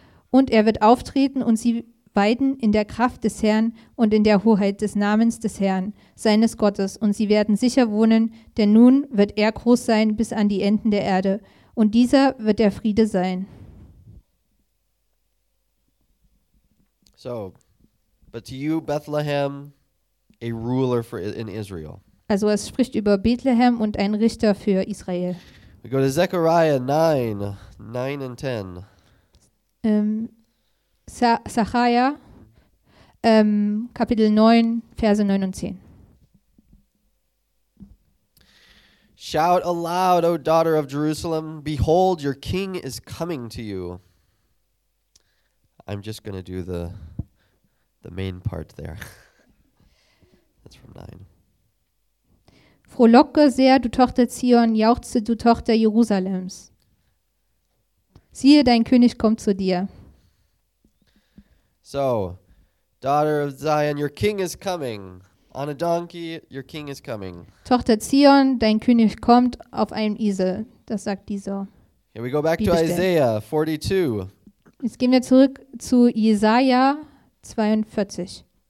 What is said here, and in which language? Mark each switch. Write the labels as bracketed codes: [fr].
[de] Und er wird auftreten und sie weiden in der Kraft des Herrn und in der Hoheit des Namens des Herrn, seines Gottes, und sie werden sicher wohnen, denn nun wird er groß sein bis an die Enden der Erde, und dieser wird der Friede sein. [en] So, but to you, Bethlehem, a ruler for in Israel. [de] Also es spricht über Bethlehem und ein Richter für Israel. [en] We go to Zechariah 9 and 10. [de] Zechariah Kapitel 9, Verse 9 und 10. [en] Shout aloud, O daughter of Jerusalem, behold, your king is coming to you. I'm just going to do the main part there. That's from 9. [de] Frohlocke sehr, du Tochter Zion, jauchze, du Tochter Jerusalems. Siehe, dein König kommt zu dir. [en] So, daughter of Zion, your king is coming. On a donkey, your king is coming. [de] Tochter Zion, dein König kommt auf einem Esel. Das sagt dieser. [en] Here we go back to Isaiah 42. [de] Jetzt gehen wir zurück zu Jesaja 42.